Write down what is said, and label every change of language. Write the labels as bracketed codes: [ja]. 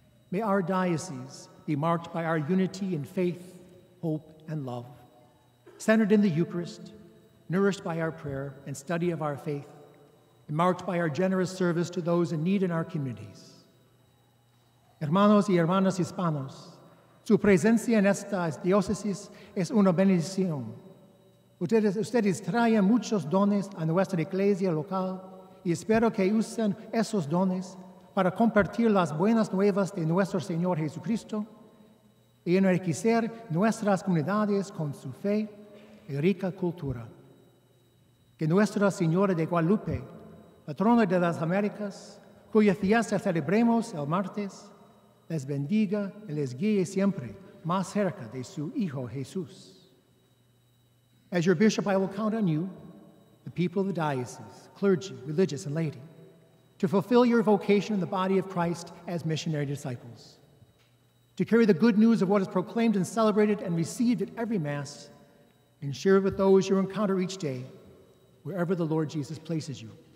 [en] May our diocese be marked by our unity in faith, hope, and love, centered in the Eucharist, nourished by our prayer and study of our faith, and marked by our generous service to those in need in our communities. [es] Hermanos y hermanas hispanos, su presencia en esta diócesis es una bendición. Ustedes traen muchos dones a nuestra iglesia local y espero que usen esos dones para compartir las buenas nuevas de nuestro Señor Jesucristo y enriquecer nuestras comunidades con su fe y rica cultura. Que Nuestra Señora de Guadalupe, patrona de las Américas, cuya fiesta celebremos el martes, les bendiga y les guíe siempre más cerca de su Hijo Jesús. [en] As your bishop, I will count on you, the people of the diocese, clergy, religious, and laity, to fulfill your vocation in the body of Christ as missionary disciples, to carry the good news of what is proclaimed and celebrated and received at every Mass, and share it with those you encounter each day, wherever the Lord Jesus places you.